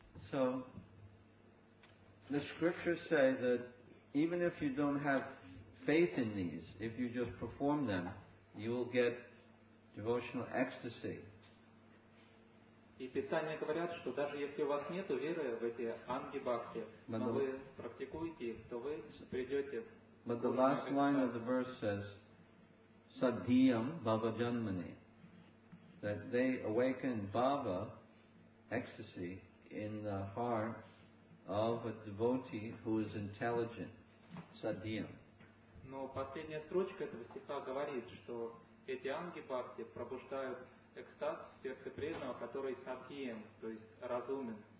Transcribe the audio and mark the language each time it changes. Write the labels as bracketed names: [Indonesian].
[English] So the scriptures say that even if you don't have faith in these, if you just perform them, you will get devotional ecstasy. [Russian] И Писания говорят, что даже если у вас нет веры в эти анги-бхакти, но вы практикуете их, то вы придете. [English] But the last line of the verse says, [Sanskrit] "Saddhiyam bhava janmani," [English] that they awaken bhava, ecstasy, in the heart of a devotee who is intelligent. [Sanskrit] Saddhiyam. [Russian] Но последняя строчка этого стиха говорит, что эти анги-бхакти пробуждают экстаз в сердце преданного, который сатхием, то есть разумен.